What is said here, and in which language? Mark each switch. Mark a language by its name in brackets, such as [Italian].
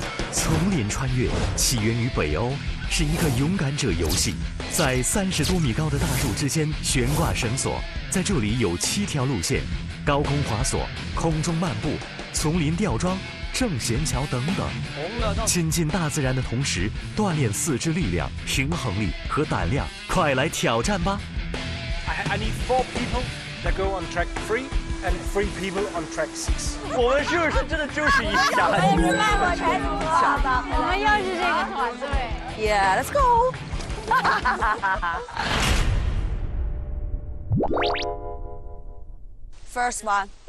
[Chinese] 丛林穿越起源于北欧，是一个勇敢者游戏，在30多米高的大树之间悬挂绳索，在这里有7条路线：高空滑索、空中漫步、丛林吊装、正弦桥等等。亲近大自然的同时，锻炼四肢力量、平衡力和胆量，快来挑战吧！ [English] I need 4 people that go on track 3 and 3 people on track 6. [Chinese] 我们是不是真的就是一家？我也是卖火柴的，好的。我们又是这个团队。 [English] Yeah, let's go. First one.